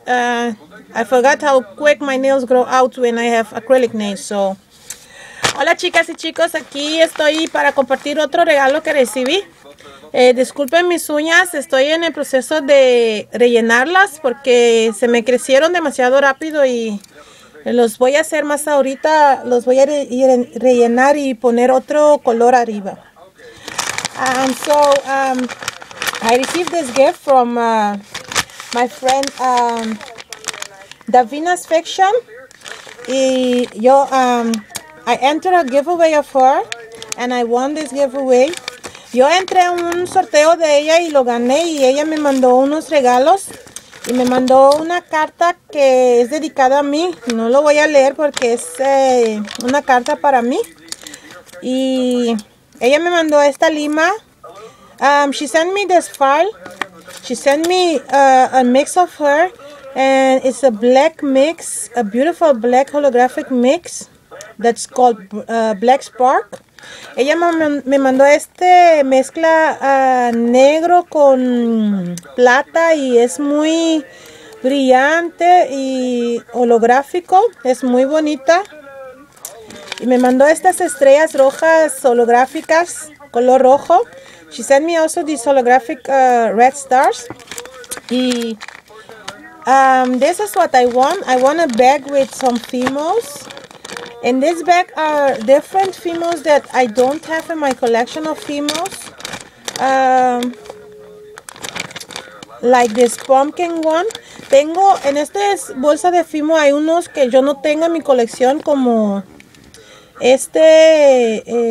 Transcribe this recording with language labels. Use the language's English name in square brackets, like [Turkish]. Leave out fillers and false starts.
[English] I forgot how quick my nails grow out when I have acrylic nails. [Spanish] So, hola chicas y chicos, aquí estoy para compartir otro regalo que recibí. Disculpen mis uñas, estoy en el proceso de rellenarlas porque se me crecieron demasiado rápido y los voy a hacer más ahorita, los voy a rellenar y poner otro color arriba. [English] I received this gift from my friend Davinasfiction [Spanish] y yo [English] I entered a giveaway of her and I won this giveaway. [Spanish] Yo entré en un sorteo de ella y lo gané y ella me mandó unos regalos y me mandó una carta que es dedicada a mí. No lo voy a leer porque es una carta para mí. Y ella me mandó esta lima. [English] She sent me this file. She sent me a mix of her. And it's a black mix, a beautiful black holographic mix that's called Black Spark. [Spanish] Ella me mandó este mezcla negro con plata y es muy brillante y holográfico, es muy bonita. Y me mandó estas estrellas rojas holográficas, color rojo. [English] She sent me also these holographic red stars. [Spanish] Y [English] this is what I want. I want a bag with some fimos. In this bag are different fimos that I don't have in my collection of fimos. Like this pumpkin one. [Spanish] Tengo en esta bolsa de fimo hay unos que yo no tengo en mi colección como este.